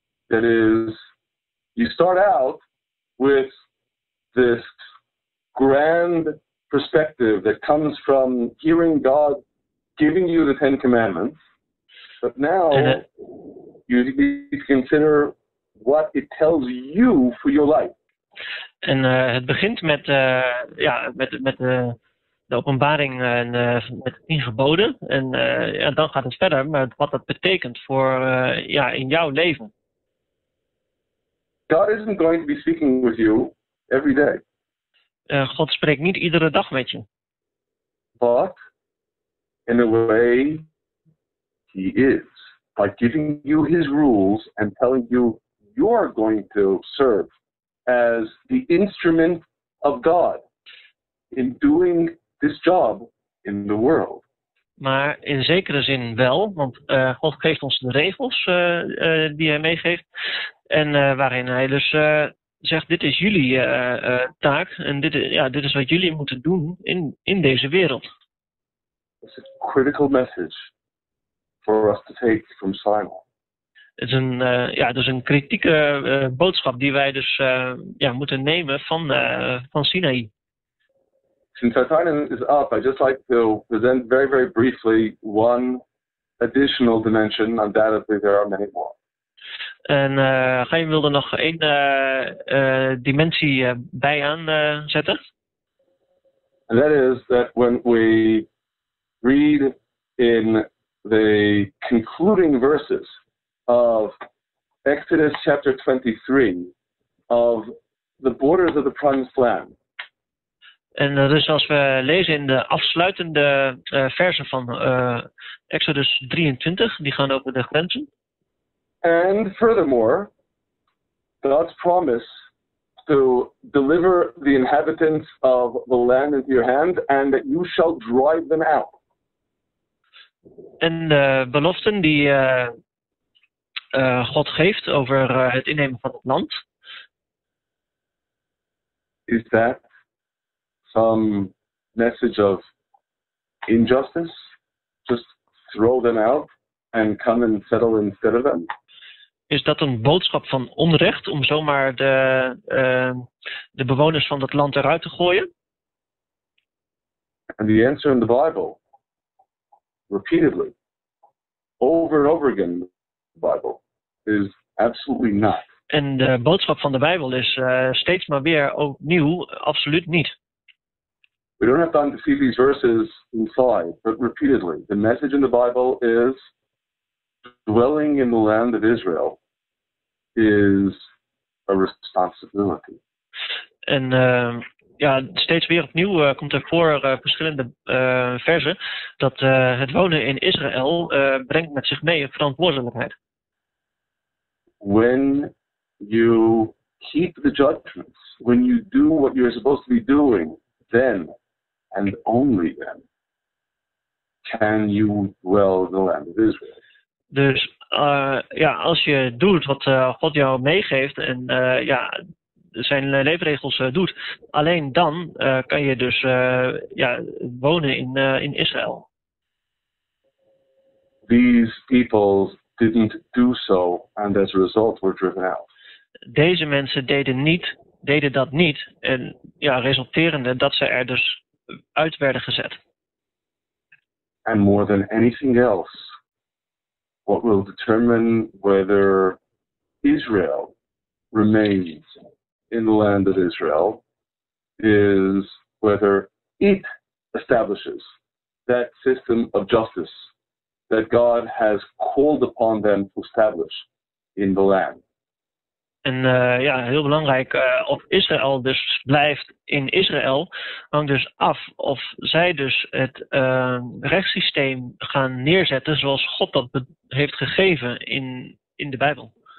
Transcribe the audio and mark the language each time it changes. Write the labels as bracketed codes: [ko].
[en] That is, you start out with this grand perspective that comes from hearing God giving you the Ten Commandments, but now you consider what it tells you for your life. [nl] En het begint met de openbaring en met de 10 geboden. En dan gaat het verder met wat dat betekent voor in jouw leven. [en] God isn't going to be speaking with you every day. [nl] God spreekt niet iedere dag met je. [en] But in a way he is, by giving you his rules and telling you you're going to serve as the instrument of God in doing this job in the world. [nl] Maar in zekere zin wel, want God geeft ons de regels die hij meegeeft. En waarin hij dus zegt, dit is jullie taak en dit is wat jullie moeten doen in deze wereld. [en] It's a critical message for us to take from Sinai. [nl] Het is een, een kritieke boodschap die wij dus moeten nemen van Sinaï. [en] Since our time is up, I'd just like to present very, very briefly one additional dimension. Undoubtedly, there are many more. [nl] En Gijn wilde nog één dimensie bij aan zetten. [en] And that is that when we read in the concluding verses of Exodus chapter 23, of the borders of the promised land. [nl] En dus als we lezen in de afsluitende verzen van Exodus 23, die gaan over de grenzen. [en] And furthermore, God's promise to deliver the inhabitants of the land into your hand, and that you shall drive them out. [nl] En beloften die God geeft over het innemen van het land. [en] Is that some message of injustice? Just throw them out and come and settle instead of them? [nl] Is dat een boodschap van onrecht om zomaar de bewoners van dat land eruit te gooien? [en] And the answer in the Bible, repeatedly, over and over again, the Bible is absolutely not. [nl] En de boodschap van de Bijbel is steeds maar weer opnieuw absoluut niet. [en] We don't have time to see these verses inside, but repeatedly. The message in the Bible is dwelling in the land of Israel is a responsibility. [nl] En steeds weer opnieuw komt er voor verschillende versen dat het wonen in Israël brengt met zich mee een verantwoordelijkheid. [en] When you keep the judgments, when you do what you're supposed to be doing, then and only then can you dwell in the land of Israel. [nl] Dus als je doet wat God jou meegeeft en zijn leefregels doet, alleen dan kan je dus wonen in Israël. [en] These people didn't do so, and as a result were driven out. [nl] Deze mensen deden dat niet, en resulterende dat ze er dus uit werden gezet. [en] And more than anything else, what will determine whether Israel remains in the land of Israel is whether it establishes that system of justice that God has called upon them to establish in the land. [nl] En heel belangrijk, of Israël dus blijft in Israël, hangt dus af of zij dus het rechtssysteem gaan neerzetten zoals God dat heeft gegeven in de Bijbel.